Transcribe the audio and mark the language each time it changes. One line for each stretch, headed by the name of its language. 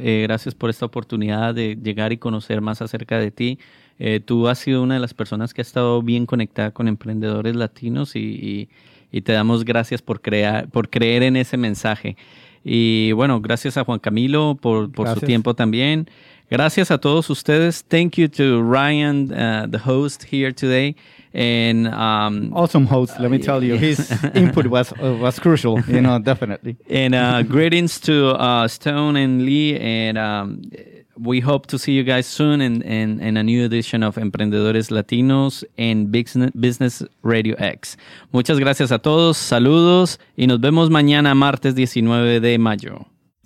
Spanish: Gracias por esta oportunidad de llegar y conocer más acerca de ti. Tú has sido una de las personas que ha estado bien conectada con emprendedores latinos y te damos gracias por creer en ese mensaje. Y bueno, gracias a Juan Camilo por su tiempo también. Gracias a todos ustedes.
English: Thank you to Ryan, the host here today. And awesome host, let me tell you. Yes. His input was crucial, you know, definitely. And greetings to Stone and Lee. And we hope to see you guys soon in a new edition of Emprendedores Latinos and Business Radio X.
Spanish: Muchas gracias a todos. Saludos. Y nos vemos mañana, martes 19 de mayo.